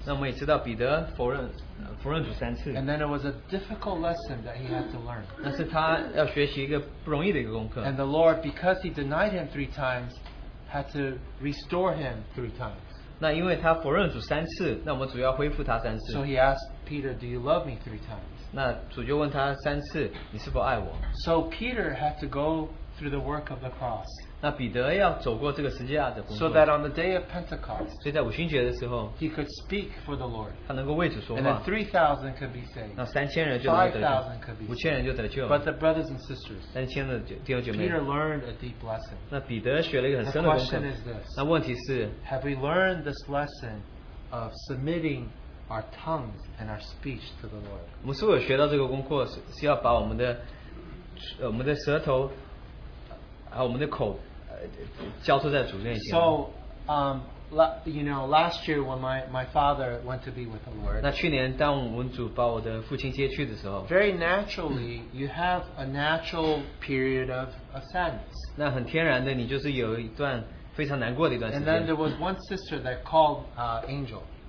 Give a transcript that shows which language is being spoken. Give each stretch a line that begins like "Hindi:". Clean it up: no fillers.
Chinese: 那我们也知道彼得否认主三次。
English: And then it was a difficult lesson that he had to learn.
Chinese: 那是他要学习一个不容易的一个功课。
English: And the Lord, because he denied him three times, had to restore him three times.
Chinese: 那因为他否认主三次，那我们主要恢复他三次。
English: So he asked Peter, do you love me three times?
Chinese: 那主就问他三次，你是否爱我？
English: So Peter had to go through the work of the cross.
Chinese: 那彼得要走过这个十字架的工作。
English: So that on the day of Pentecost,
Chinese: 所以在五旬节的时候，
English: he could speak for the Lord.
Chinese: 他能够为主说话。
English: And then 3,000 could be saved.
Chinese: 那3,000人就得救。
English: 5,000 could be saved.
Chinese: 5,000人就得救。
English: But the brothers and sisters,
Chinese: 但亲爱的弟兄姐妹，
English: Peter learned a deep lesson.
Chinese: 那彼得学了一个很深的功课。
English: The question is this,
Chinese: 那问题是，
English: have we learned this lesson of submitting our tongues and our speech to the Lord.
Chinese: 我们所有学到这个功课是要把我们的舌头还有我们的口交托在主面前。
English: So, you know, last year when my father went to be with the Lord,
Chinese: 那去年当我们主把我的父亲接去的时候,
English: very naturally, you have a natural period of sadness.
Chinese: 那很天然的你就是有一段
English: And then there was one sister that called Angel.